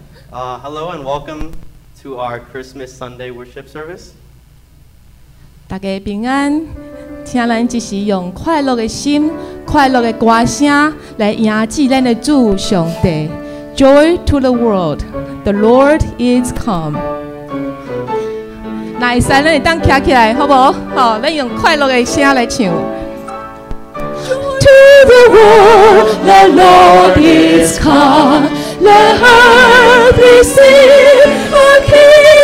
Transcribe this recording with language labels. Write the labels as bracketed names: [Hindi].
[English] Hello and welcome to our Christmas Sunday worship service. [Min Nan Chinese] 大家平安，请咱一时用快乐的心、快乐的歌声来迎接咱的主上帝。 [English] Joy to the world, the Lord is come. [Min Nan Chinese] 来，三，咱当站起来，好不好？好，咱用快乐的声来唱。 [English] To the world, the Lord is come. Let earth receive a King.